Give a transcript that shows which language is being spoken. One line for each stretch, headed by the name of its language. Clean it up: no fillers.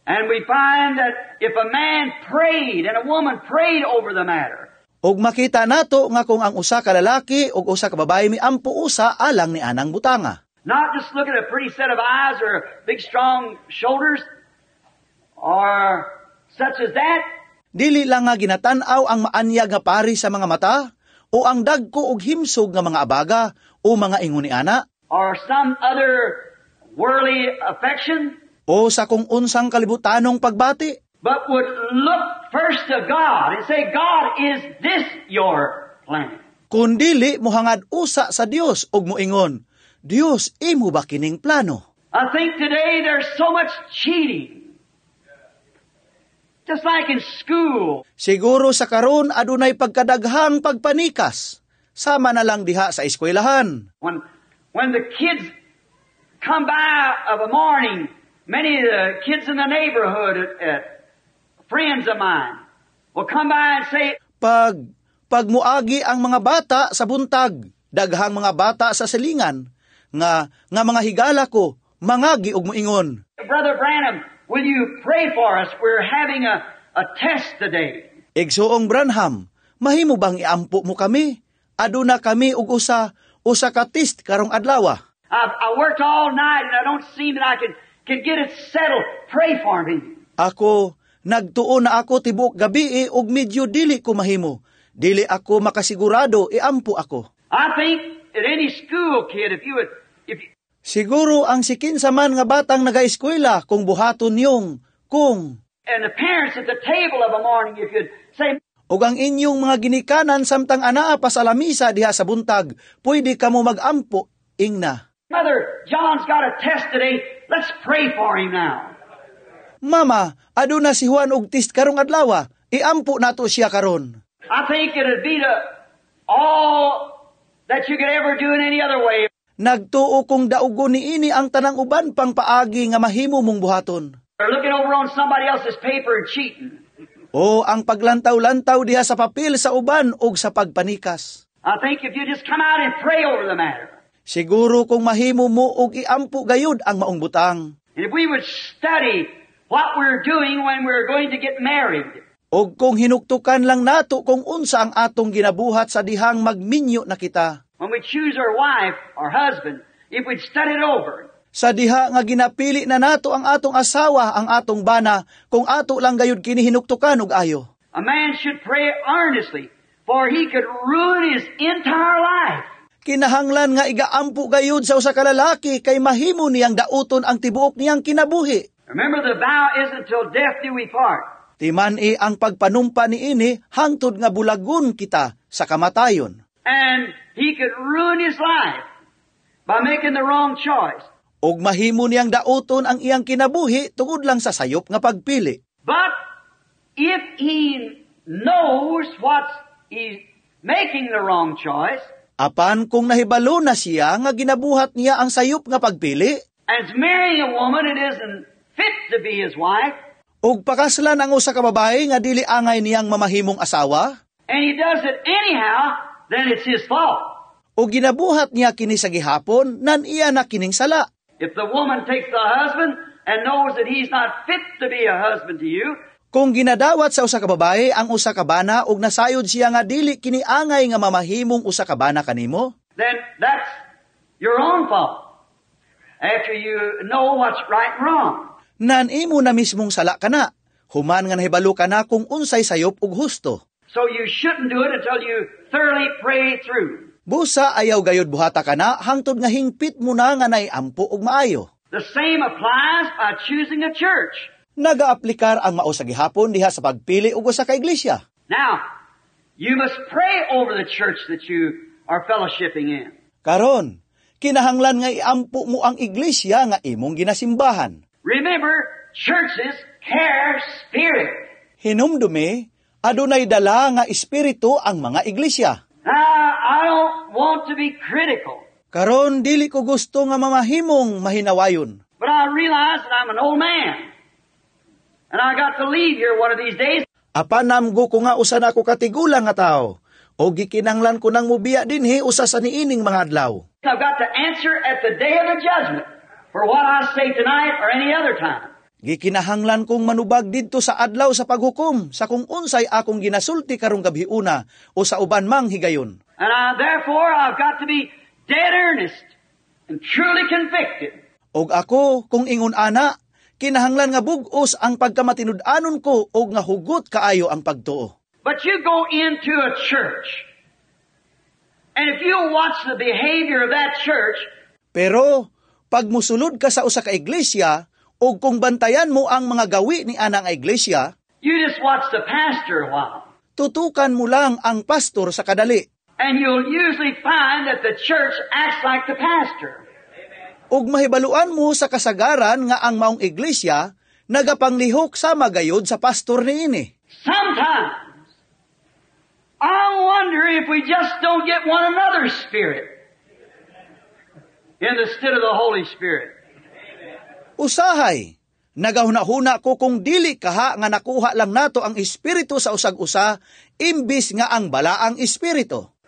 English: And we find that if a man prayed and a woman prayed over the matter.
Cebuano: Ug makita nato nga kung ang usa ka lalaki ug usa ka babaye mi ampuusa alang ni anang butanga.
English: Not just look at a pretty set of eyes or big strong shoulders or such as that.
Cebuano: Dili lang nga ginatan-aw ang maanyag nga pari sa mga mata o ang dagko og himsog nga mga abaga o mga ingon ni ana
English: or some other worldly affection
Cebuano: o sa kung unsang kalibutanong pagbati.
English: But would look first to God and say, God, is this your plan?
Cebuano: Kun dili muhangad usa sa Dios og muingon, Dios, imo ba kining plano?
English: I think today there's so much cheating. Just like in school.
Cebuano: Siguro sa karon adunay pagkadaghang pagpanikas. Sama na lang diha sa eskwelahan.
English: When the kids come by of a morning, many of the kids in the neighborhood, friends of mine, will come by and say,
Cebuano: Pag muagi ang mga bata sa buntag, daghang mga bata sa silingan, nga mga higala ko, mangagi og muingon.
English: Brother Branham, will you pray for us? We're having a test today.
Cebuano: Igsoong Branham, mahimo bang iampo mo kami? Aduna kami ug usa ka test karong adlawa.
English: I worked all night and I don't seem that I can get it settled. Pray for me.
Cebuano: Ako nagtuo na ako tibuok gabi ug medyo dili ko mahimo. Dili ako makasigurado iampo ako.
English: I think at any school kid if you
Cebuano: siguro ang sikinsa man nga batang nagaeskwela kung buhaton yung kung.
English: And the parents at the table of a morning if you'd say.
Cebuano: Og ang inyong mga ginikanan samtang anaa pa sa lamisa diha sa buntag, pwede kamo magampo ingna.
English: Mother, John's got a test today. Let's pray for him now.
Cebuano: Mama, aduna si Juan og test karong adlawa. Iampo nato siya karon.
English: I think it'd be the all that you could ever do in any other way.
Cebuano: Nagtuo kong daugo niini ang tanang uban pang paagi nga mahimo mong buhaton.
English: They're looking over on somebody else's paper and cheating.
Cebuano: O ang paglantaw-lantaw diha sa papel sa uban ug sa pagpanikas.
English: I think if you just come out and pray over the matter.
Cebuano: Siguro kung mahimo mo ug iampo gayud ang maong butang.
English: And if we would study what we're doing when we're going to get married.
Cebuano: O kung hinuktukan lang nato kung unsa ang atong ginabuhat sa dihang magminyo na kita.
English: When we choose our wife or husband, if we'd study it over.
Cebuano: Sa diha nga ginapili na nato ang atong asawa, ang atong bana, kung ato lang gayud kini hinuktukan og ayo.
English: A man should pray earnestly for or he could ruin his entire life.
Cebuano: Kinahanglan nga igaampo gayud sa usa ka lalaki kay mahimo niyang dauton ang tibuok niyang kinabuhi.
English: Remember, the vow isn't till death do we part.
Cebuano: Timani ang pagpanumpa niini hangtod nga bulagun kita sa kamatayon.
English: And he could ruin his life by making the wrong choice.
Cebuano: Og mahimo niyang dauton ang iyang kinabuhi tungod lang sa sayop nga pagpili.
English: But if he knows what he's making the wrong choice,
Cebuano: apan kung nahibalo na siya nga ginabuhat niya ang sayop nga pagpili,
English: and marrying a woman that isn't fit to be his wife,
Cebuano: og pakaslan ang usa ka babae nga dili angay niyang mamahimong asawa,
English: and he does it anyhow, then it's his fault.
Cebuano: Og ginabuhat niya kini sa gihapon, nan iya na kining sala.
English: If the woman takes the husband and knows that he's not fit to be a husband to you,
Cebuano: kung ginadawat sa usa ka babae ang usa ka bana og nasayod siya nga dili kini angay nga mamahimong usa ka bana kanimo,
English: then that's your own fault. After you know what's right and wrong,
Cebuano: nan imo na mismong sala kana, human nga nahibalo kana kung unsay sayop og husto.
English: So you shouldn't do it until you thoroughly pray through.
Cebuano: Busa ayaw gayod buhata kana hangtod nga hingpit mo na nga naiampo og maayo.
English: The same applies by choosing a church.
Cebuano: Naga-aplikar ang mausa gihapon diha sa pagpili og usa ka iglesia.
English: Now, you must pray over the church that you are fellowshipping in.
Cebuano: Karon, kinahanglan nga iampo mo ang iglesia nga imong ginasimbahan.
English: Remember, churches care spirit.
Cebuano: Hinumdumi, adunay dala nga espiritu ang mga iglesia.
English: I don't want to be critical.
Cebuano: Karon, dili ko gusto nga mamahimong mahinawayon.
English: But I realize that I'm an old man. And I got to leave here one of these days.
Cebuano: Apan namgo ko nga usa na ako katigulang nga tao. O gikinanglan ko nang mubiya din he usa sa niining mga adlaw.
English: I've got to answer at the day of the judgment for what I say tonight or any other time.
Cebuano: Gikinahanglan kong manubag dito sa adlaw sa paghukom sa kung unsay akong ginasulti karong gabi una o sa uban mang higayon.
English: And therefore I've got to be dead earnest and truly convicted.
Cebuano: O ako kung ingon ana, kinahanglan nga bugos ang pagkamatinud-anon ko og nga hugot kaayo ang pagtuo.
English: But you go into a church, and if you watch the behavior of that church,
Cebuano: pero pag musulod ka sa usa ka iglesia og kung bantayan mo ang mga gawi ni anang iglesia,
English: you just watch the pastor a while.
Cebuano: Tutukan mo lang ang pastor sa kadali.
English: And you'll usually find that the church acts like the pastor.
Cebuano: Ug mahibaluan mo sa kasagaran nga ang maong iglesia nagapanglihok sa magayod sa pastor niini.
English: Sometimes I wonder if we just don't get one another's spirit in the stead of the Holy Spirit.
Cebuano: Usahay, nagahuna-huna ko kung dili kaha nga nakuha lang nato ang espiritu sa usag-usa imbis nga ang balaang espiritu.